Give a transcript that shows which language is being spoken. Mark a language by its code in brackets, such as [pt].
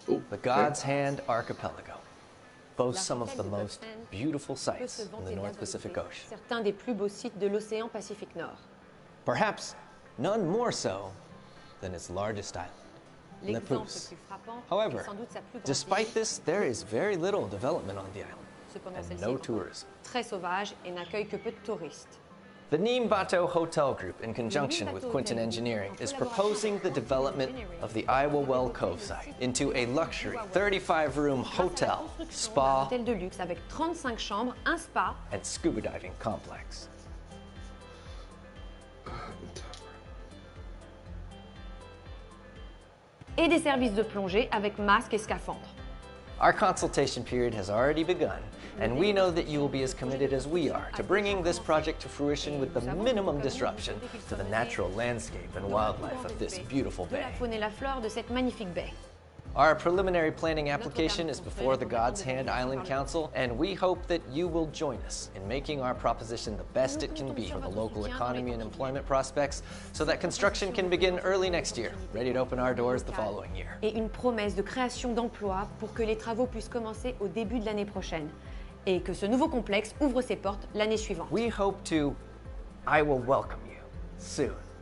[en] The God's Hand Archipelago boasts some of the most beautiful sights in the North Pacific Ocean. [fr] Certains des plus beaux sites de l'océan Pacifique Nord. [en] Perhaps none more so than its largest island, Nepos. However, despite this, there is very little development on the island, and no tourism. [fr] Très sauvage et n'accueille que peu de touristes. [en] The Neem Bateau Hotel Group, in conjunction with Quinton Engineering, is proposing the development of the Iowa Well Cove site into a luxury 35-room hotel, spa, and scuba diving complex. [fr] Et des services de plongée avec masque et scaphandre. [en] Our consultation period has already begun, and we know that you will be as committed as we are to bringing this project to fruition with the minimum disruption to the natural landscape and wildlife of this beautiful bay. [fr] De la faune et la flore de cette magnifique bay. [en] Our preliminary planning application is before the God's Hand Island Council, and we hope that you will join us in making our proposition the best it can be for the local economy and employment prospects, so that construction can begin early next year, ready to open our doors the following year. [fr] Et une promesse de création d'emplois pour que les travaux puissent commencer au début de l'année prochaine, et que ce nouveau complexe ouvre ses portes l'année suivante. [en] We hope to, I will welcome you soon.